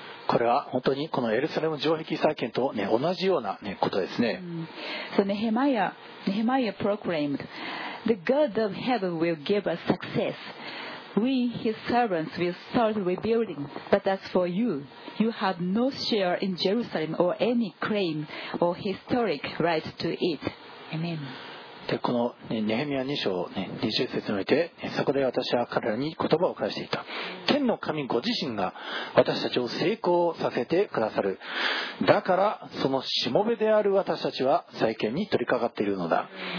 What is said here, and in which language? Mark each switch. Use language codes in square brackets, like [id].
[ja] これは本当にこのエルサレム城壁再建と、ね、同じような、ね、ことですね。 [en] So Nehemiah proclaimed, "The God of heaven will give us success. We, his servants, will start rebuilding. But as for you,You have no share in Jerusalem or any claim or historic right to it. Amen. [ja] で、このネヘミヤ2章、ね、20節において、そこで私は彼らに言葉を返していた。天の神ご自身が私たちを成功させてくださる。だからそのしもべである私たちは再建に取り掛かっているのだ。